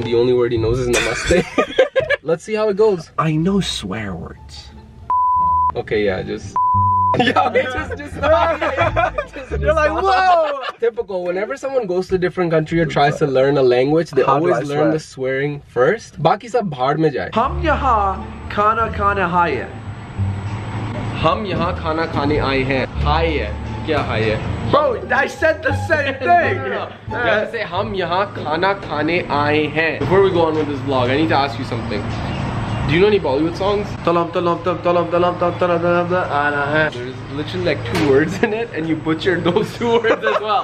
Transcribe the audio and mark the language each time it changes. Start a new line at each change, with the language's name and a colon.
English: The only word he knows is namaste. Let's see how it goes. I know swear words. Okay, yeah, just. Yeah, just you're like, whoa! Typical, whenever someone goes to a different country or tries to learn a language, they always learn the swearing first.
Hindi: बाकी सब बाहर में जाये. Hum yaha khana khane aaye hain. हम यहां खाना खाने आये हैं. Aaye. क्या आये?
English: Bro, I said the same thing! You have to say,
Hindi: hum yaha khana khane aaye hain.
English: Before we go on with this vlog, I need to ask you something. Do you know any Bollywood songs? There's literally like two words in it, and you butchered those two words as well.